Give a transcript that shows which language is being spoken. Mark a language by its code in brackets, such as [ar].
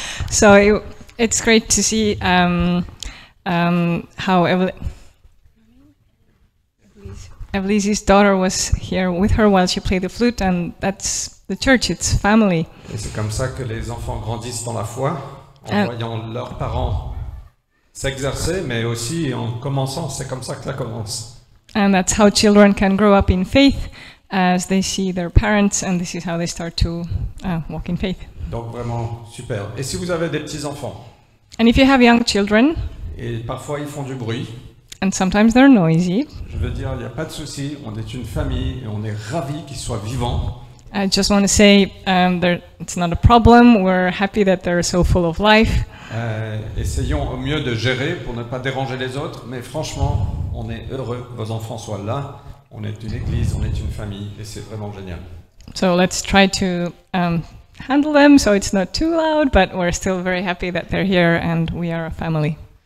[en] So it's great to see how Evelise's daughter was here with her while she played the flute, and that's the church, it's family. [fr] Et c'est comme ça que les enfants grandissent dans la foi, en voyant leurs parents s'exercer, mais aussi en commençant, c'est comme ça que ça commence. [en] And that's how children can grow up in faith, as they see their parents, and this is how they start to walk in faith. [fr] Donc vraiment super. Et si vous avez des petits enfants? [en] And if you have young children? [fr] Et parfois ils font du bruit. [en] And sometimes they're noisy. [fr] Je veux dire, il n'y a pas de souci. On est une famille et on est ravis qu'ils soient vivants. [en] I just want to say, it's not a problem. We're happy that they're so full of life. [fr] Essayons au mieux de gérer pour ne pas déranger les autres. Mais franchement, on est heureux que vos enfants soient là. On est une église, on est une famille, et c'est vraiment génial. [en] So let's try to handle them so it's not too loud, but we're still very happy that they're here and we are a family.